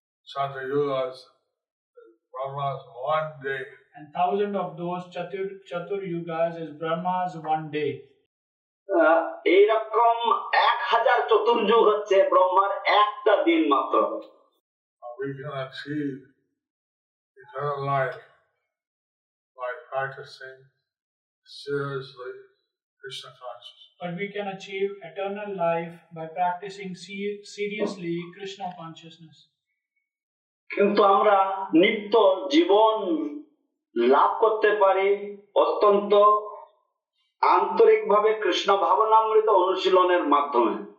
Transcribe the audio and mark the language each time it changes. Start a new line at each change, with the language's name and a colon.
English: Chaturyugas, Brahma's one day. And 1,000 of those Chaturyugas is Brahma's one day.
Bangla: এইরকম 1,000 চতুর্যুগ হচ্ছে ব্রহ্মার একটা দিন মাত্র।
English: We can achieve eternal life by practicing seriously Krishna consciousness. But we can achieve eternal life by practicing seriously Krishna consciousness.
Bangla: কিন্তু আমরা নিত্য জীবন লাভ করতে পারি অত্যন্ত আন্তরিক ভাবে কৃষ্ণ ভাবনামৃত অনুশীলনের মাধ্যমে।